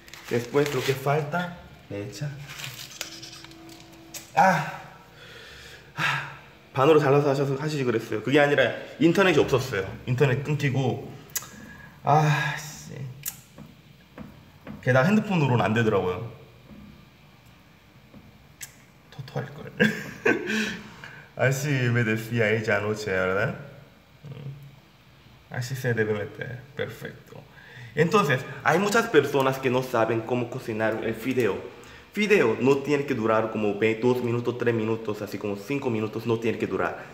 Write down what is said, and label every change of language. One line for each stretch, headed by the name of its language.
Spanish: Después lo que falta, le echa.
Korean: 반으로 잘라서 하시지 그랬어요. 그게 아니라 인터넷이 없었어요. 인터넷 끊기고, 아씨. 게다가 핸드폰으로는 안 되더라고요. 토토할걸.
Spanish: Así me decía ella anoche, ¿verdad? Así se debe meter. Perfecto. Entonces, hay muchas personas que no saben cómo cocinar el fideo. Fideo no tiene que durar como 2 minutos, 3 minutos, así como 5 minutos, no tiene que durar.